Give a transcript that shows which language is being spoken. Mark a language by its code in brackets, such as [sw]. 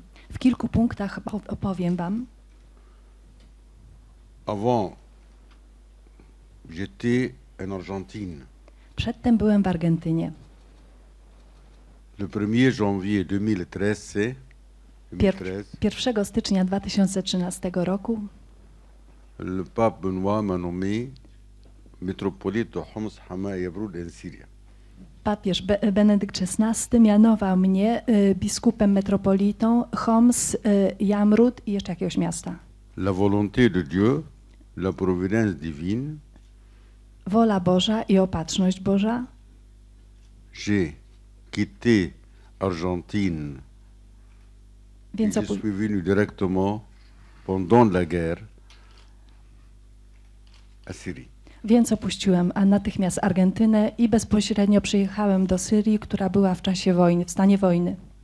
[pl] W kilku punktach opowiem wam. [fr] Avant, j'étais en Argentine. [pl] Przedtem byłem w Argentynie. [fr] Le 1er janvier 2013. [pl] 1 stycznia 2013 roku. [fr] Le pape Benoît m'a nommé métropolite de Homs, Hama et Evroud en Syrie. [pl] Papież Benedykt XVI mianował mnie biskupem metropolitą Homs, Jamrud i jeszcze jakiegoś miasta. [fr] La volonté de Dieu, la providence divine. [pl] Wola Boża i opatrzność Boża. [fr] J'ai quitté Argentine. [pl] Więc [fr] je suis venu directement pendant la guerre à Syrie. [pl] Więc opuściłem natychmiast Argentynę i bezpośrednio przyjechałem do Syrii, która była w czasie wojny, w stanie wojny.